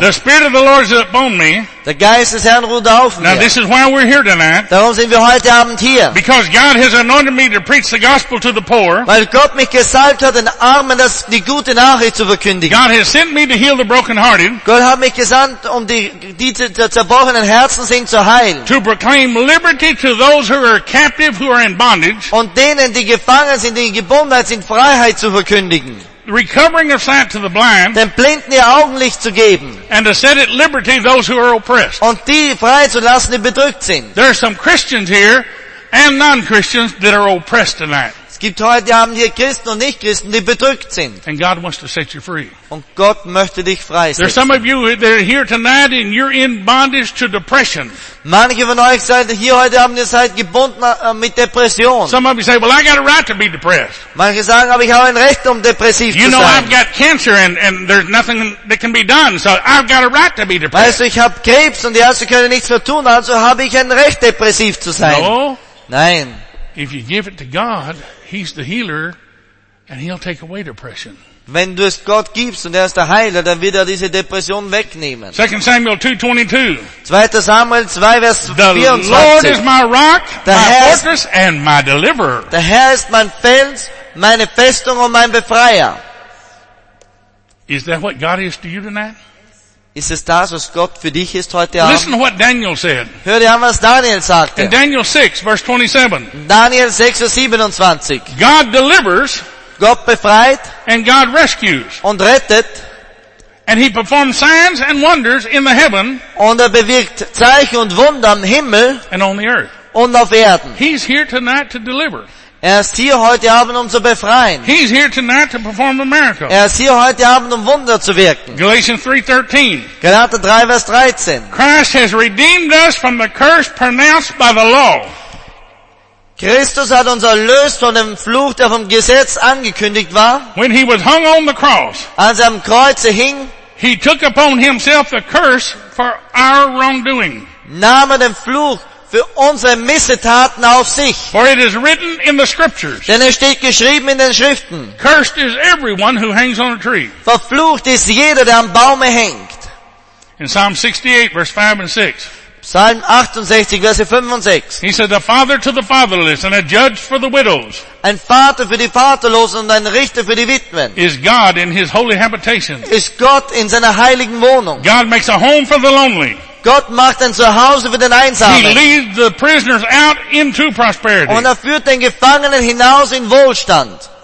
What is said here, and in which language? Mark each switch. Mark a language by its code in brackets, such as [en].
[en] The Spirit of the Lord is upon me. [de] Der Geist des Herrn ruht auf mir. [en] Now this is why we're here tonight. [de] Darum sind wir heute Abend hier. [en] Because God has anointed me to preach the gospel to the poor. [de] Weil Gott mich gesalbt hat, den Armen das die gute Nachricht zu verkündigen. [en] God has sent me to heal the brokenhearted. [de] Gott hat mich gesandt, um die zerbrochenen Herzen sind zu heilen. [en] To proclaim liberty to those who are captive, who are in bondage. [de] Und denen, die gefangen sind, die in Gebundenheit sind, Freiheit zu verkündigen. [en] Recovering of sight to the blind, [de] den Blinden ihr Augenlicht zu geben, [en] and to set at liberty those who are oppressed, [de] und die frei zu lassen, die bedrückt sind. [en] There are some Christians here and non-Christians that are oppressed tonight. [de] Es gibt heute Abend hier Christen und Nicht-Christen, die bedrückt sind. [en] And God wants to set you free. [de] Und Gott möchte dich freisetzen. [en] There are some of you that are here tonight and you're in bondage to depression. [de] Manche von euch seid hier heute Abend, ihr seid gebunden mit Depression. [en] Some of you say, well, I got a right to be depressed. [de] Manche sagen, aber ich habe ein Recht, depressiv zu sein. [en] You know, I've got cancer and there's nothing that can be done, so I've got a right to be depressed. [de] Weißt du, ich habe Krebs und die Ärzte können nichts mehr tun, also habe ich ein Recht, depressiv zu sein. [en] No. [de] Nein. [en] If you give it to God, He's the healer and He'll take away depression. [de] Wenn du es Gott gibst und er ist der Heiler, dann wird er diese Depression wegnehmen. [en] 2 Samuel 2:22. [de] 2. Samuel 2, Vers 24. [en] The Lord is my rock, my fortress and my deliverer. [de] Der Herr ist mein Fels, meine Festung und mein Befreier. [en] Is that what God is to you tonight? [de] Ist es das, was Gott für dich ist heute Abend? [en] Listen to what Daniel said. [de] Hör dir an, was Daniel sagte. [en] In Daniel 6, verse 27. [de] Daniel 6, Vers 27. [en] God delivers. [de] Gott befreit. [en] And God rescues. [de] Und rettet. [en] And he performs signs and wonders in the heaven. [de] Und bewirkt Zeichen und Wunder am Himmel. [en] And on the earth. [de] Und auf Erden. [en] He's here tonight to deliver. [de] Ist hier heute Abend, zu befreien. [en] He's here tonight to perform a miracle. [de] Ist hier heute Abend, Wunder zu wirken. [en] Galatians 3:13. [de] Galater 3, Vers 13. [en] Christ has redeemed us from the curse pronounced by the law. [de] Christus hat uns erlöst von dem Fluch, der vom Gesetz angekündigt war. [en] When he was hung on the cross. [de] Als am Kreuz hing. [en] He took upon himself the curse for our wrongdoing. [de] Nahm den Fluch für unsere Missetaten auf sich. [en] For it is written in the scriptures. [de] Denn es steht geschrieben in den Schriften. [en] Cursed is everyone who hangs on a tree. [de] Verflucht ist jeder, der am Baume hängt. [en] In Psalm 68, verse 5 and 6. [de] Psalm 68, Verse 5 und 6. [en] He said, a father to the fatherless and a judge for the widows. [de] Ein Vater für die Vaterlosen und ein Richter für die Witwen. [en] Is God in his holy habitation. [de] Ist Gott in seiner heiligen Wohnung. [en] God makes a home for the lonely. [de] Gott macht ein Zuhause für den Einsamen. [en] He leads the prisoners out into prosperity. [de] Und führt den Gefangenen hinaus in Wohlstand.